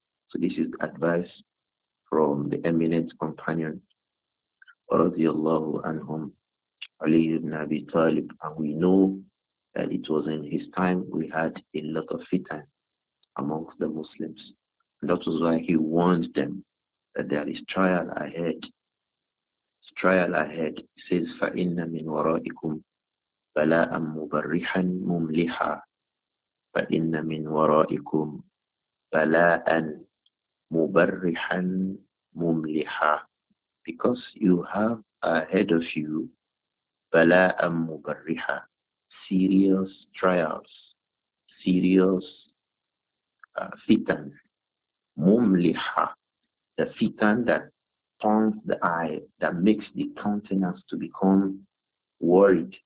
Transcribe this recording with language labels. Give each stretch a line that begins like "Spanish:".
English: So this is advice from the eminent companion, radiallahu anhum, Ali ibn Abi Talib. And we know that it was in his time we had a lot of fitan amongst the Muslims. And that was why he warned them that there is trial ahead. Trial ahead. He says,
Arabic: فَإِنَّ مِنْ وَرَائِكُمْ بَلَاءً مُبَرِّحًا مُمْلِحًا فَإِنَّ مِنْ وَرَائِكُمْ بَلَاءً مُبَرِّحًا مُمْلِحًا.
English: Because you have ahead of you
Arabic: بَلَاءً مُبَرِّحًا,
English: serious trials, serious fitan, mumliha, the fitan that taunts the eye, that makes the countenance to become worried.